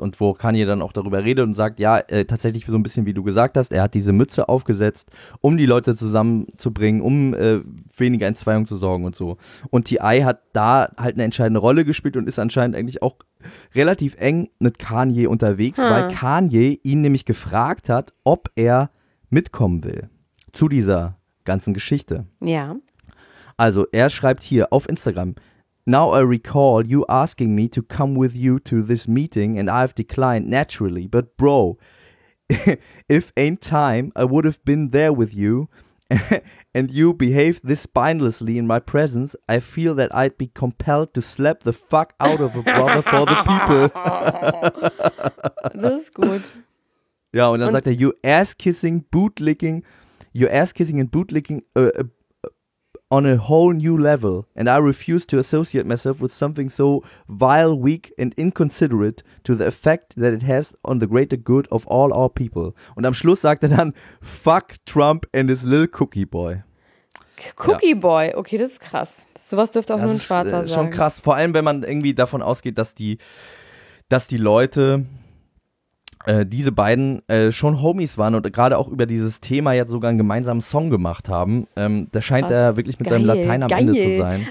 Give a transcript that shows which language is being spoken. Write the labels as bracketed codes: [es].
[de] Und wo Kanye dann auch darüber redet und sagt, ja, tatsächlich so ein bisschen, wie du gesagt hast, er hat diese Mütze aufgesetzt, um die Leute zusammenzubringen, um weniger Entzweiung zu sorgen und so. Und T.I. hat da halt eine entscheidende Rolle gespielt und ist anscheinend eigentlich auch relativ eng mit Kanye unterwegs, weil Kanye ihn nämlich gefragt hat, ob er mitkommen will zu dieser ganzen Geschichte. Ja. Also, er schreibt hier auf Instagram: [en] Now I recall you asking me to come with you to this meeting and I've declined naturally, but bro, if ain't time, I would have been there with you and you behaved this spinelessly in my presence, I feel that I'd be compelled to slap the fuck out of a brother for the people. [de] Das ist gut. Ja, und dann sagt er: [en] You ass-kissing, boot-licking, your ass-kissing and bootlicking on a whole new level and I refuse to associate myself with something so vile, weak and inconsiderate to the effect that it has on the greater good of all our people. [de] Und am Schluss sagt er dann, [en] fuck Trump and his little cookie boy. [de] Cookie ja. Boy, okay, das ist krass. Sowas dürfte auch das nur ein Schwarzer sein. Das ist schon krass, vor allem wenn man irgendwie davon ausgeht, dass die Leute, diese beiden schon Homies waren und gerade auch über dieses Thema jetzt sogar einen gemeinsamen Song gemacht haben. Da scheint er wirklich mit seinem Latein am Ende zu sein.